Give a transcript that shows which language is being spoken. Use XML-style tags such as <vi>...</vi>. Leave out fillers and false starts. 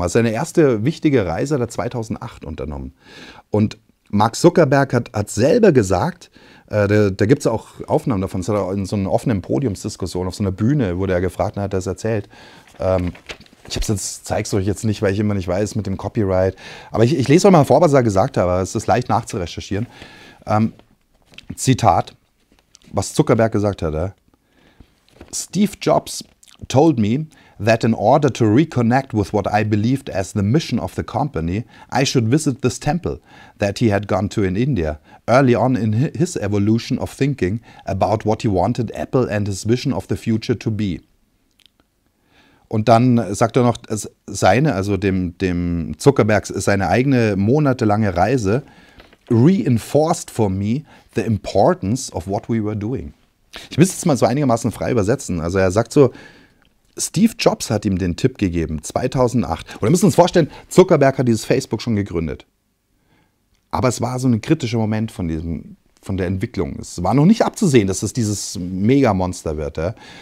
<de>Also seine erste wichtige Reise hat er 2008 unternommen. Und Mark Zuckerberg hat selber gesagt, da gibt es auch Aufnahmen davon, das hat er in so einer offenen Podiumsdiskussion auf so einer Bühne, wurde er gefragt und hat das erzählt. Zeig's euch jetzt nicht, weil ich immer nicht weiß mit dem Copyright. Aber ich lese euch mal vor, was er gesagt hat, aber es ist leicht nachzurecherchieren. Zitat, was Zuckerberg gesagt hat.</de> <en>Steve Jobs told me that in order to reconnect with what I believed as the mission of the company, I should visit this temple that he had gone to in India early on in his evolution of thinking about what he wanted Apple and his vision of the future to be.</en> <de>Und dann sagt er noch, seine, also dem Zuckerberg, seine eigene monatelange Reise</de> <en>reinforced for me the importance of what we were doing.</en> <de>Ich müsste es mal so einigermaßen frei übersetzen. Also er sagt so, Steve Jobs hat ihm den Tipp gegeben, 2008. Und wir müssen uns vorstellen, Zuckerberg hat dieses Facebook schon gegründet. Aber es war so ein kritischer Moment von diesem, von der Entwicklung. Es war noch nicht abzusehen, dass es dieses Mega-Monster wird. Ja?</de>